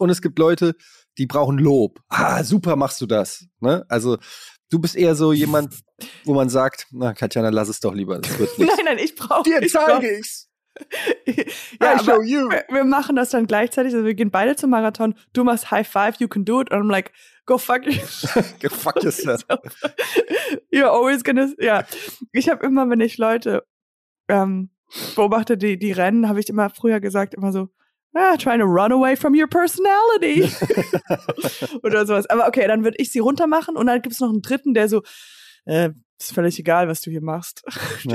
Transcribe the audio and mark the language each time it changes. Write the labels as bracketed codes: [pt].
[de] Und es gibt Leute, die brauchen Lob. Ah, super machst du das. Ne? Also du bist eher so jemand, wo man sagt, na, Katjana, lass es doch lieber. Das wird nicht. Nein, ich brauche dir zeige ich's. [en] Ja, I show you. [de] Wir machen das dann gleichzeitig. Also wir gehen beide zum Marathon. [en] Du machst High Five, you can do it. And I'm like, go fuck yourself. Go fuck yourself. You're always gonna, ja. [de] Ich habe immer, wenn ich Leute beobachte, die rennen, habe ich immer früher gesagt, immer so, trying to run away from your personality. Oder sowas. Aber okay, dann würde ich sie runter machen und dann gibt es noch einen dritten, der so, ist völlig egal, was du hier machst. Ja.